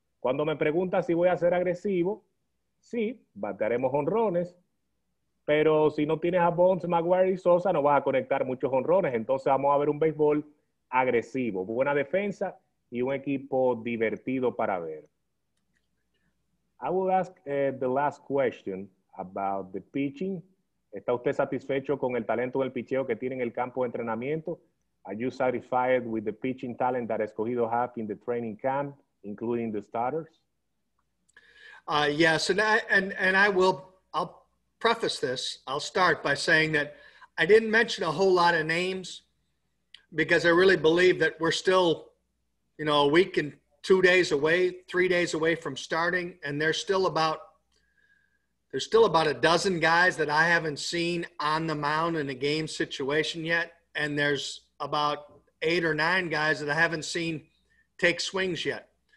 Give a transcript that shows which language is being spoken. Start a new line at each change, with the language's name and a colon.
Spanish: Cuando me preguntas si voy a ser agresivo, sí, batearemos jonrones, pero si no tienes a Bonds, McGwire y Sosa, no vas a conectar muchos jonrones. Entonces vamos a ver un béisbol agresivo, buena defensa y un equipo divertido para ver.
English: I will ask the last question about the pitching.
Spanish: ¿Está usted satisfecho con el talento del picheo que tiene en el campo de entrenamiento?
English: Are you satisfied with the pitching talent that Escogido have in the training camp, including the starters? Yes, I'll preface this. I'll start by saying that I didn't mention a whole lot of names because I really believe that we're still, you know, a week and 2 days away, 3 days away from starting, and there's still about a dozen guys that I haven't seen on the mound in a game situation yet, and there's about eight or nine guys that I haven't seen take swings yet.